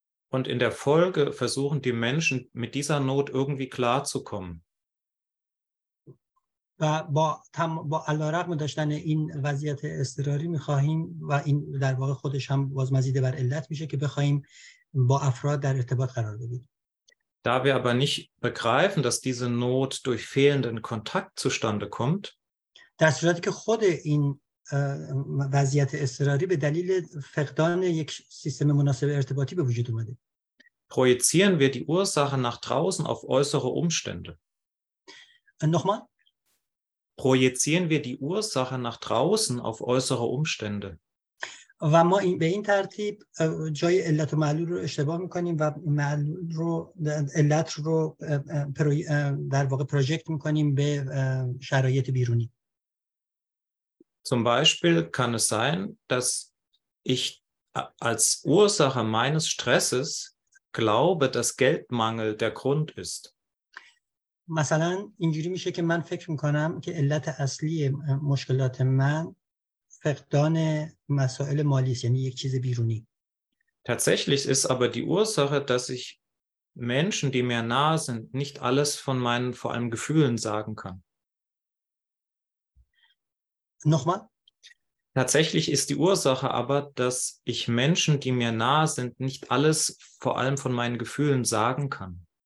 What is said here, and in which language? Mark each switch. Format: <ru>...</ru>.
<de>Und in der Folge versuchen die Menschen mit dieser Not irgendwie klar zu kommen.</de> <fa>و با علارغم داشتن این وضعیت اضطراری می‌خواهیم و این در واقع خودش هم باز مزید بر علت میشه که بخوایم با افراد در ارتباط قرار بگیریم.</fa> <de>Da wir aber nicht begreifen, dass diese Not durch fehlenden Kontakt zustande kommt.</de> <fa>در صورتی که خود این وضعیت اضطراری به دلیل فقدان یک سیستم مناسب ارتباطی به وجود اومده.</fa> <de>Projizieren wir die Ursache nach draußen auf äußere Umstände. Nochmal? Projizieren wir die Ursache nach draußen auf äußere Umstände.</de> <fa>و ما به این ترتیب جای علت و معلول رو اشتباه میکنیم و معلول رو علت رو در واقع پروژکت میکنیم به شرایط بیرونی.</fa> <de>Zum Beispiel kann es sein, dass ich als Ursache meines Stresses glaube, dass Geldmangel der Grund ist.</de> <fa>مثلا اینجوری میشه که من فکر میکنم که علت اصلی مشکلات من فقدان مسائل مالی است، یعنی یک چیز بیرونی.</fa> <de>Tatsächlich ist aber die Ursache, dass ich Menschen, die mir nahe sind, nicht alles von meinen vor allem Gefühlen sagen kann. Nochmal? Tatsächlich ist die Ursache aber, dass ich Menschen, die mir nahe sind, nicht alles vor allem von meinen Gefühlen sagen kann.</de>